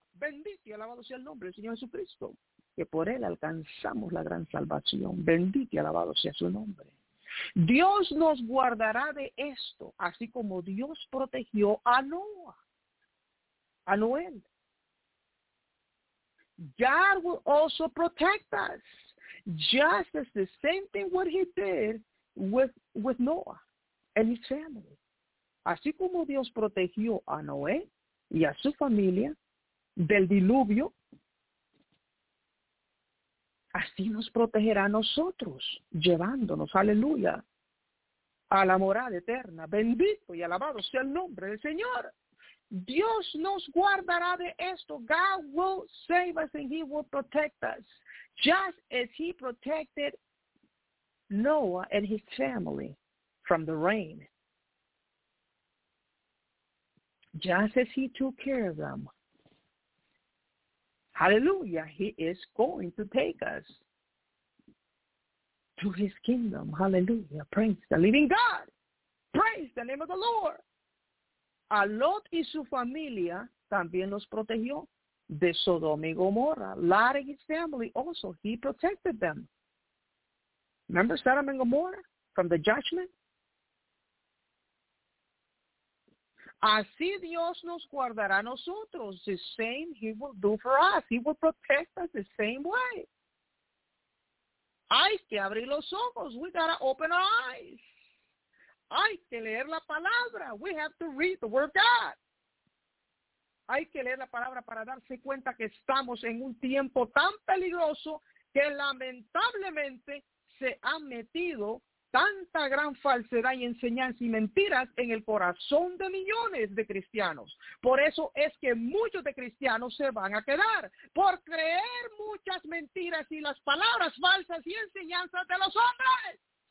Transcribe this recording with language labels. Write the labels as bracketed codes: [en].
[es] Bendito y alabado sea el nombre del Señor Jesucristo, que por él alcanzamos la gran salvación. Bendito y alabado sea su nombre. Dios nos guardará de esto, así como Dios protegió a Noah, a Noé. [en] God will also protect us, just as the same thing what he did with Noah and his family. [es] Así como Dios protegió a Noé y a su familia del diluvio, así nos protegerá a nosotros, llevándonos, aleluya, a la morada eterna. Bendito y alabado sea el nombre del Señor. Dios nos guardará de esto. [en] God will save us and he will protect us, just as he protected Noah and his family from the rain. Just as he took care of them. Hallelujah. He is going to take us to his kingdom. Hallelujah. Praise the living God. Praise the name of the Lord. [es] A Lot y su familia también los protegió de Sodoma y Gomorra. [en] Lot and his family also, he protected them. Remember Sodom and Gomorrah from the judgment? [es] Así Dios nos guardará a nosotros. [en] The same he will do for us. He will protect us the same way. [es] Hay que abrir los ojos. [en] We gotta open our eyes. [es] Hay que leer la palabra. [en] We have to read the word of God. [es] Hay que leer la palabra para darse cuenta que estamos en un tiempo tan peligroso que lamentablemente se ha metido tanta gran falsedad y enseñanza y mentiras en el corazón de millones de cristianos. Por eso es que muchos de cristianos se van a quedar por creer muchas mentiras y las palabras falsas y enseñanzas de los hombres.